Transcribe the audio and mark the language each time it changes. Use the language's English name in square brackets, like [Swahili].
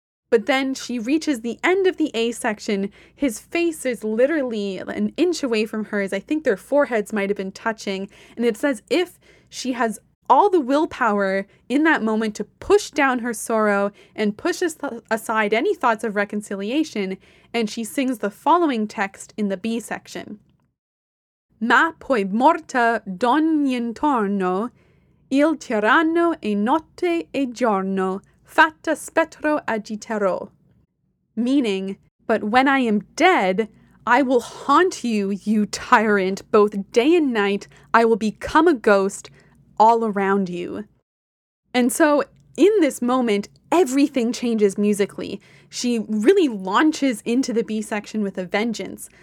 [English] But then she reaches the end of the A section. His face is literally an inch away from hers. I think their foreheads might have been touching. And it says if she has all the willpower in that moment to push down her sorrow and push aside any thoughts of reconciliation, and she sings the following text in the B section. [Italian] Ma poi morta d'ogni intorno, il tiranno e notte e giorno, fatta spettro agiterò. [English] Meaning, but when I am dead, I will haunt you, you tyrant, both day and night, I will become a ghost all around you. And so in this moment, everything changes musically. She really launches into the B section with a vengeance.